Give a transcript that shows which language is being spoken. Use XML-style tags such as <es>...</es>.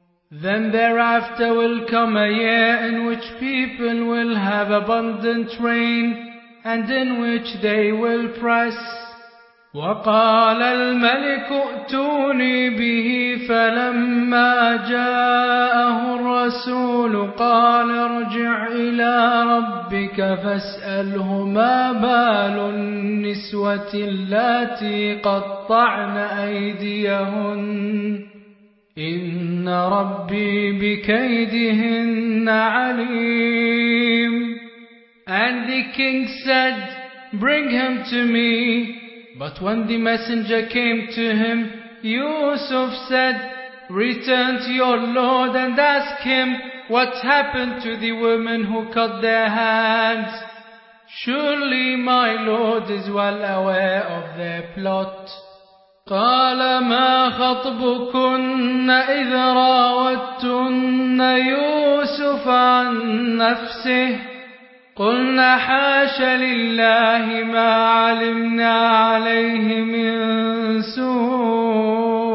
<en>Then thereafter will come a year in which people will have abundant rain, and in which they will press.</en> <ar>وقال الملك ائتوني به فلما جاءه الرسول قال ارجع إلى ربك فاسأله ما بال النسوة التي قطعن أيديهن إن ربي بكيدهن عليم.</ar> <en>And the king said, bring him to me. But when the messenger came to him, Yusuf said, return to your lord and ask him what happened to the women who cut their hands. Surely my lord is well aware of their plot.</en> <ar>قال ما خطبكن إذ راوتن يوسف عن نفسه قلنا حاش لله ما علمنا عليه من سوء.</ar>